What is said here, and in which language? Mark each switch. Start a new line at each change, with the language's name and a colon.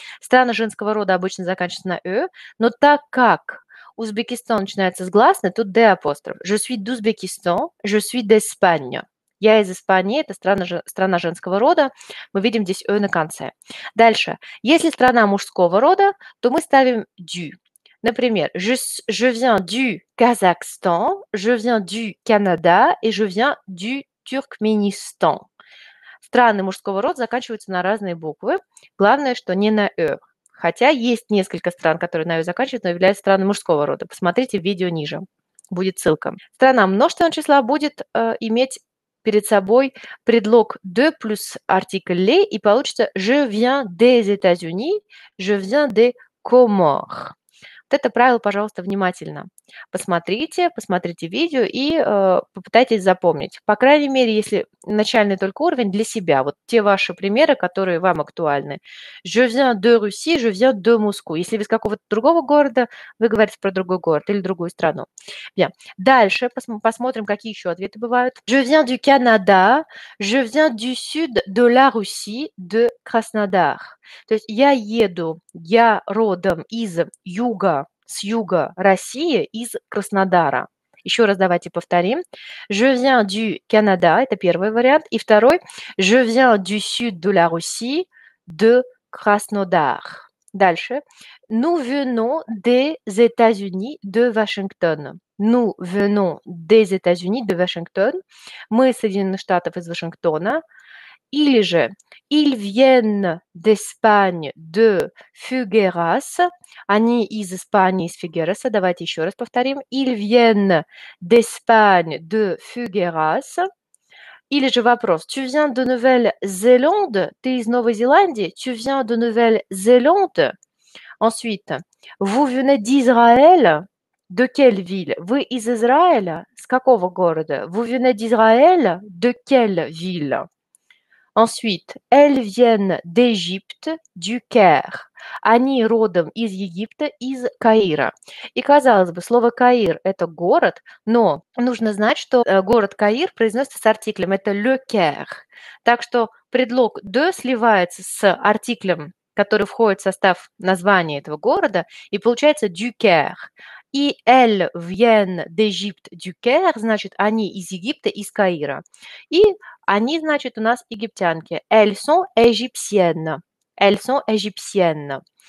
Russian: Страна женского рода обычно заканчивается на «e», но так как Узбекистан начинается с гласной, тут «de» апостроф.
French: «Je suis d'Uzbekistan», «je suis d'Espagne».
Russian: Я из Испании, это страна женского рода. Мы видим здесь «e» на конце. Дальше. Если страна мужского рода, то мы ставим «du».
French: Например, «je viens du Kazakhstan», «je viens du Canada» и «je viens du Turkmenistan».
Russian: Страны мужского рода заканчиваются на разные буквы. Главное, что не на «e». Хотя есть несколько стран, которые на «e» заканчивают, но являются страны мужского рода. Посмотрите видео ниже, будет ссылка. Страна множественного числа будет иметь перед собой предлог «de» плюс артикль «les», и получится
French: «je viens des États-Unis», «je viens des Comores».
Russian: Вот это правило, пожалуйста, внимательно. Посмотрите видео и попытайтесь запомнить. По крайней мере, если начальный только уровень, для себя. Вот те ваши примеры, которые вам актуальны.
French: «Je viens de Russie», «je viens de Moscou».
Russian: Если вы из какого-то другого города, вы говорите про другой город или другую страну. Дальше посмотрим, какие еще ответы бывают.
French: «Je viens du Canada», «je viens du sud de la Russie», «de Краснодар».
Russian: То есть я еду, я родом из юга, с юга России, из Краснодара. Еще раз давайте повторим.
French: «Je viens du Canada» –
Russian: это первый вариант. И второй
French: – «je viens du sud de la Russie, de Краснодар».
Russian: Дальше.
French: «Nous venons des États-Unis, de Washington». «Nous venons des États-Unis, de Washington».
Russian: «Мы из Соединенных Штатов, из Вашингтона». Или же
French: «Ils viennent d'Espagne, de Figueras».
Russian: Они из Испании, из Фигераса. Давайте еще раз повторим.
French: «Ils viennent d'Espagne, de Figueras».
Russian: Или же вопрос.
French: «Tu viens de Nouvelle-Zélande?»
Russian: Ты из Новой Зеландии?
French: «Tu viens de Nouvelle-Zélande?» Ensuite. «Vous venez d'Israël?» «De quelle ville?»
Russian: Вы из Израиля? С какого города?
French: «Vous venez d'Israël?» «De quelle ville?» Ensuite, «elles viennent d'Égypte, du Caire».
Russian: Они родом из Египта, из Каира. И, казалось бы, слово «Каир» – это город, но нужно знать, что город Каир произносится с артиклем, это
French: «le Caire».
Russian: Так что предлог «de» сливается с артиклем, который входит в состав названия этого города, и получается
French: «du Caire».
Russian: И
French: «elles viennent d'Égypte, du Caire»
Russian: – значит, они из Египта, из Каира. И они, значит, у нас египтянки.
French: «Elles sont égyptiennes». «Elles sont égyptiennes».